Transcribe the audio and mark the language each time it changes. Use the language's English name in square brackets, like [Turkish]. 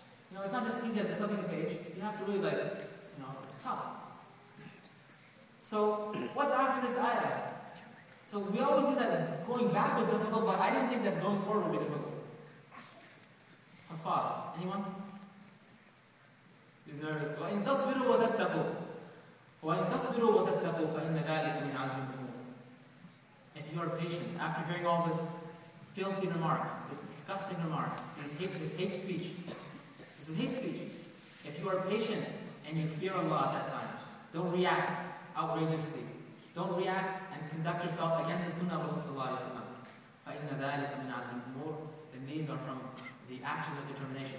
[English] You know, it's not just easy as flipping a page. You have to really, like, you know, it's tough. So, what's after this ayah? So, we always do that going back was difficult, but I didn't think that going forward would be difficult. A father. Anyone? He's nervous. [Arabic] وَإِن تَصْبِرُوا وَتَتَّقُوا وَإِن تَصْبِرُوا وَتَتَّقُوا فَإِنَّ ذَلِكَ مِنْ عَزْمِ الْأُمُورِ [English] If you are patient, after hearing all this, filthy remarks, this disgusting remark, this hate speech. This is hate speech. If you are patient and you fear Allah at that time, don't react outrageously. Don't react and conduct yourself against the Sunnah of Rasulullah. [Arabic] فَإِنَّ ذَٰلِكَ مِنْ عَزْمِ الْأُمُورِ [English] Then these are from the actions of determination.